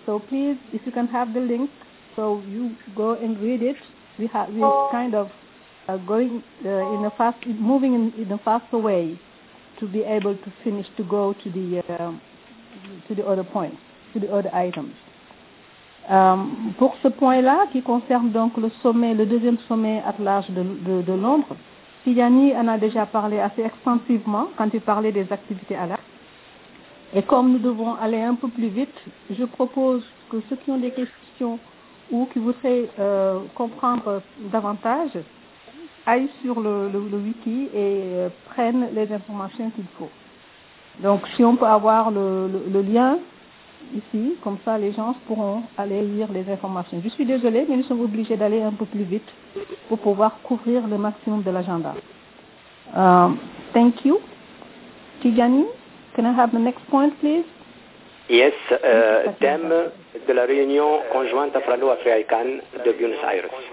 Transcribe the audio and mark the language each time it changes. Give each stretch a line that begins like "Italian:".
English: So please, if you can have the link, so you go and read it. We're moving in a faster way to be able to finish to go to the other points, to the other items.
French: Pour ce point-là, qui concerne donc le deuxième sommet à large de Londres. Tijani en a déjà parlé assez extensivement quand il parlait des activités à l'art. Et comme nous devons aller un peu plus vite, je propose que ceux qui ont des questions ou qui voudraient comprendre davantage, aillent sur le wiki et prennent les informations qu'il faut. Donc, si on peut avoir le lien ici, comme ça, les gens pourront aller lire les informations. Je suis désolée, mais nous sommes obligés d'aller un peu plus vite pour pouvoir couvrir le maximum de l'agenda.
English: Thank you. Tijani, can I have the next point, please?
French: Yes, thème de la réunion conjointe afro-africaine de Buenos Aires.